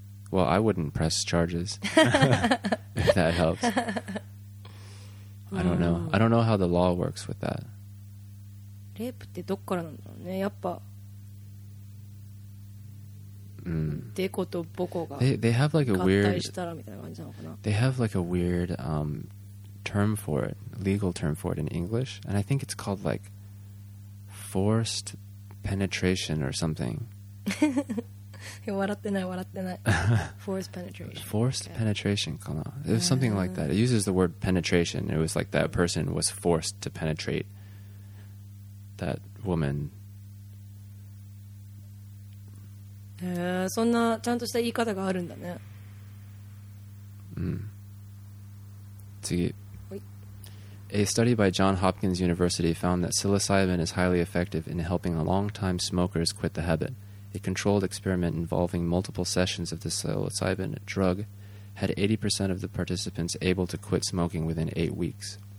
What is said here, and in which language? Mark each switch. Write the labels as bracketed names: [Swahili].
[English] Well, I wouldn't press charges if that helps. I don't know. I don't know how the law works with that. [Japanese] レイプってどっからなんだろうね、やっぱ。デコとボコが合体したらみたいな感じなのかな。 [English] They have like a weird term for it, legal term for it in English, and I think it's called like forced penetration or something. [Japanese] 笑ってない笑ってない。 [English] Forced penetration. Forced penetration かな。 It was something like that. It uses the word penetration. It was like that person was forced to penetrate that woman. [Japanese] そんなちゃんとした言い方があるんだね。次。はい。 [English] A study by John Hopkins University found that psilocybin is highly effective in helping long-time smokers quit the habit. A controlled experiment involving multiple sessions of the psilocybin drug had 80% of the participants able to quit smoking within 8 weeks.